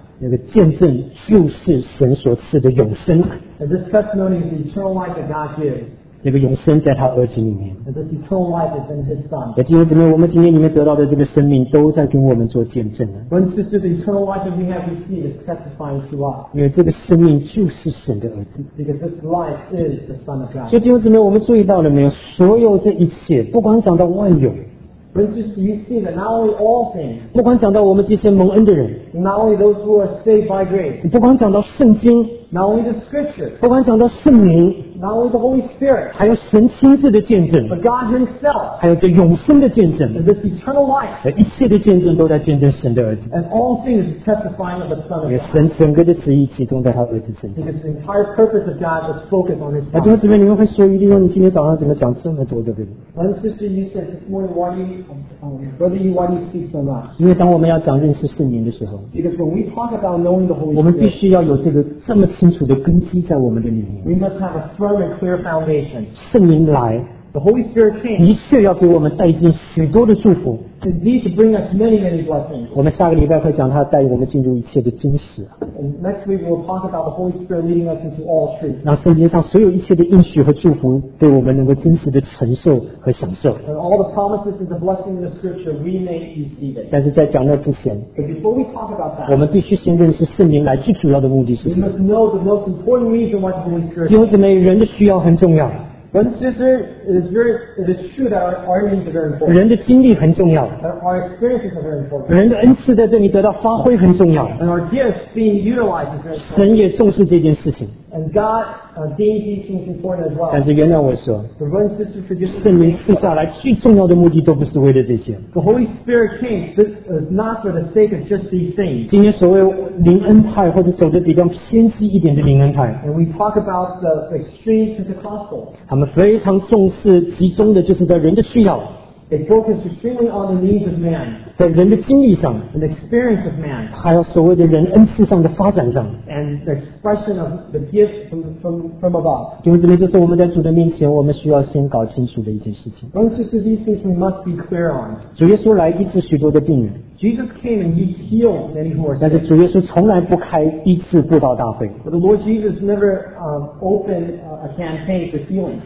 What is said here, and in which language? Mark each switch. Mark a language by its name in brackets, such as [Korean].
[Chinese] 那个见证就是神所赐的永生。 [English] And this testimony is the eternal life that God gives. [Chinese] 这个永生在他儿子里面。 [English] This eternal life is in His Son. [Chinese] 弟兄姊妹，我们今天里面得到的这个生命，都在跟我们做见证了。 [English] When this is the eternal life that we have received, is testifying to us. [Chinese] 因为这个生命就是神的儿子。 [English] Because this life is the Son of God. [Chinese] 所以弟兄姊妹，我们注意到了没有？所有这一切，不管讲到万有。 [English] You see that not only all things, [Chinese] 不管讲到我们这些蒙恩的人， [English] not only those who are saved by grace, [Chinese] 不管讲到圣经， [English] not only the scripture, [Chinese] 不管讲到圣灵， [English] not only the Holy Spirit, [Chinese] 还有神亲自的见证， [English] but God Himself, [Chinese] 还有这永生的见证， [English] and this eternal life, [Chinese] 一切的见证都在见证神的儿子， [English] and all things testifying of the Son of God, [Chinese] 神整个的旨意集中在他儿子身上， [English] because the entire purpose of God is focused on His Son. [Chinese] 弟兄姊妹，你们会说，一定说你今天早上怎么讲这么多，对不对？ [English] One sister, you said this morning, why you? Brother, why do you speak so much? [Chinese] 因为当我们要讲认识圣灵的时候， [English] because when we talk about knowing the Holy Spirit, [Chinese] 我们必须要有这个这么清楚的根基在我们的里面。 [English] We must have a firm and clear foundation. [Chinese] 圣灵来， [English] the Holy Spirit came, [Chinese] 的确要给我们带进许多的祝福。 [English] Indeed, to bring us many, many blessings. [Chinese] 我们下个礼拜会讲他带我们进入一切的真实。 [English] And next week, we'll talk about the Holy Spirit leading us into all truth. [Chinese] 让圣经上所有一切的应许和祝福对我们能够真实的承受和享受。 [English] And all the promises and the blessings in the scripture, we may receive it. [Chinese] 但是在讲那之前， [English] But before we talk about that, [Chinese] 我们必须先认识圣灵来最主要的目的是什么。 [English] We must know the most important reason why the Holy Spirit came. [Chinese] 弟兄姊妹，人的需要很重要。 [English] Sister, it is true that our needs are very important. [Chinese] 人的经历很重要。 [English] Our experiences are very important. [Chinese] 人的恩赐在这里得到发挥很重要。 [English] And our gifts being utilized is very important. [Chinese] 神也重视这件事情。 [English] And God, deems these things important as well. [Chinese] 但是原谅我说， [English] Sister, [Chinese] 圣灵赐下来最重要的目的都不是为了这些。 [English] The Holy Spirit came, this is not for the sake of just these things. [Chinese] 今天所谓灵恩派或者走得比较偏激一点的灵恩派。 [English] And we talk about the extreme Pentecostal. [Chinese] 他们非常重视集中的就是在人的需要。 [English] It focuses extremely on the needs of man. [Chinese] 在人的经历上， [English] and the experience of man. [Chinese] 还有所谓的人恩赐上的发展上， [English] and the expression of the gift from above. [Chinese] 弟兄姊妹，这是我们在主的面前我们需要先搞清楚的一件事情。 [English] Brothers and sisters, these things we must be clear on. [Chinese] 主耶稣来医治许多的病人。 [English] Jesus came and He healed many who are sick. [Chinese] 但是主耶稣从来不开医治布道大会。 [English] But the Lord Jesus never opened a campaign for healing.